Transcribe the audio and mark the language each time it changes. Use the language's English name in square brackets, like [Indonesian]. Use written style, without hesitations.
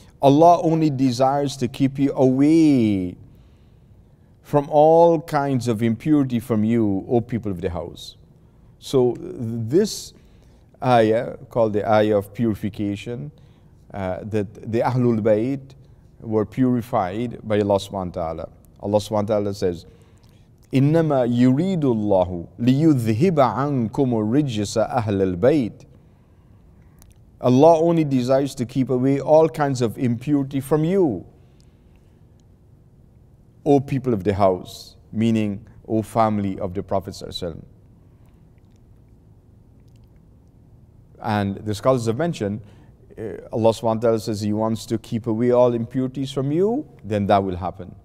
[English] Allah only desires to keep you away from all kinds of impurity from you, O people of the house. So this ayah, called the ayah of purification, that the Ahlul Bayt were purified by Allah subhanahu wa ta'ala. Allah subhanahu wa ta'ala says, [Arabic] إِنَّمَا يُرِيدُ اللَّهُ لِيُذْهِبَ عَنْكُمُ الرِّجِّسَ أَهْلَ الْبَيْتِ. [English] Allah only desires to keep away all kinds of impurity from you, O people of the house, meaning O family of the Prophet ﷺ. And the scholars have mentioned, Allah subhanahu wa ta'ala says He wants to keep away all impurities from you, then that will happen.